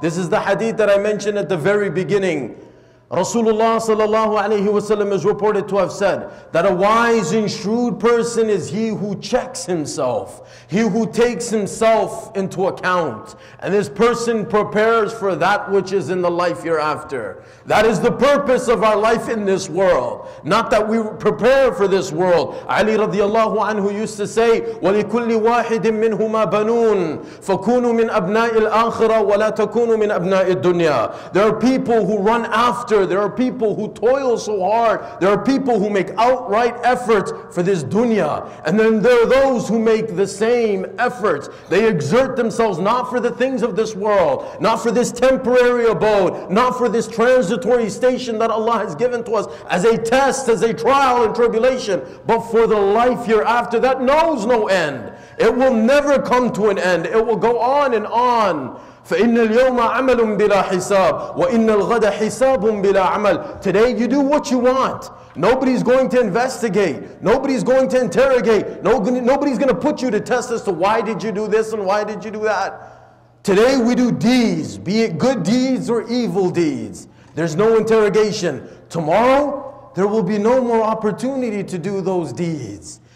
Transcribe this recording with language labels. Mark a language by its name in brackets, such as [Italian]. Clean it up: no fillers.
[English] This is the hadith that I mentioned at the very beginning. Rasulullah sallallahu alayhi wa sallam is reported to have said that a wise and shrewd person is he who checks himself, he who takes himself into account, and this person prepares for that which is in the life hereafter. That is the purpose of our life in this world. Not that we prepare for this world. Ali radiallahu anhu used to say, [Arabic] وَلِكُلِّ وَاحِدٍ مِّنْهُمَا بَنُونَ فَكُونُوا مِنْ أَبْنَاءِ الْآخِرَةِ وَلَا تَكُونُوا مِنْ أَبْنَاءِ الدُّنْيَا. [English] There are people who run after, there are people who toil so hard, there are people who make outright efforts for this dunya, and then there are those who make the same efforts. They exert themselves not for the things of this world, not for this temporary abode, not for this transitory station that Allah has given to us as a test, as a trial and tribulation, but for the life hereafter that knows no end. It will never come to an end. It will go on and on. [Arabic] فَإِنَّ الْيَوْمَ عَمَلٌ بِلَا حِسَابٌ وَإِنَّ الْغَدَ حِسَابٌ بِلَا عَمَلٌ. [English] Today you do what you want. Nobody's going to investigate. Nobody's going to interrogate. Nobody's going to put you to test as to why did you do this and why did you do that. Today we do deeds, be it good deeds or evil deeds. There's no interrogation. Tomorrow, there will be no more opportunity to do those deeds.